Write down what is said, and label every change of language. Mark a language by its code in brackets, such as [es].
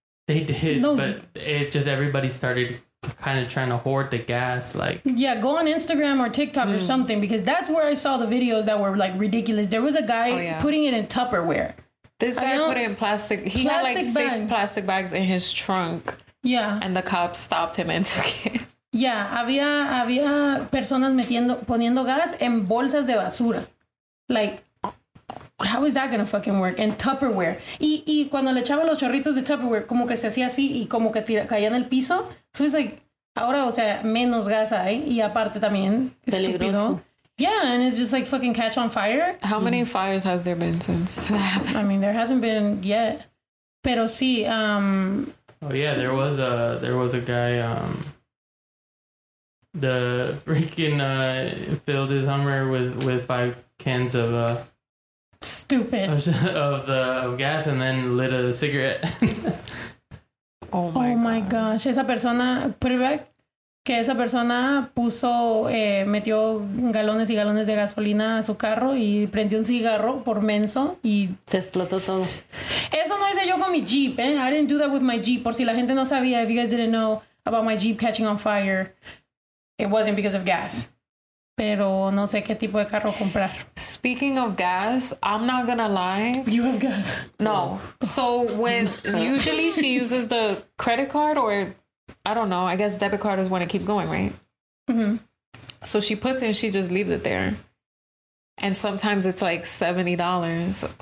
[en] They did, no, but it just, everybody started kind of trying to hoard the gas, like... Yeah, go on Instagram or TikTok or something, because that's where I saw the videos that were, like, ridiculous. There was a guy putting it in Tupperware. This guy put it in plastic. He had, like, six plastic bags in his trunk. Yeah. And the cops stopped him and took it. [es] Yeah, había personas poniendo gas en bolsas de basura. Like... [en] How is that gonna fucking work? And Tupperware. [es] Y cuando le echaban los chorritos de Tupperware, como que se hacía así y como que caía en el piso. [en] So it's like, [es] ahora, o sea, menos gas hay. Y aparte también, estúpido. [en] Yeah, and it's just like fucking catch on fire. How many fires has there been since that happened? I mean, there hasn't been yet. [es] Pero sí. [en] Oh, yeah, there was a guy. The freaking filled his Hummer with five cans of... Stupid of gas and then lit a cigarette. Oh my gosh. [es] Esa persona, [en] put it back, [es] que esa persona puso, metió galones y galones de gasolina a su carro y prendió un cigarro por menso y se explotó todo. Eso no hice yo con mi Jeep, [en] I didn't do that with my Jeep. [es] Por si la gente no sabía, [en] if you guys didn't know about my Jeep catching on fire, it wasn't because of gas. [es] Pero no sé qué tipo de carro comprar. [en] Speaking of gas, I'm not gonna lie. You have gas. No. So when usually she uses the credit card or I don't know. I guess debit card is when it keeps going, right? Mm-hmm. So she puts it and she just leaves it there. And sometimes it's like $70.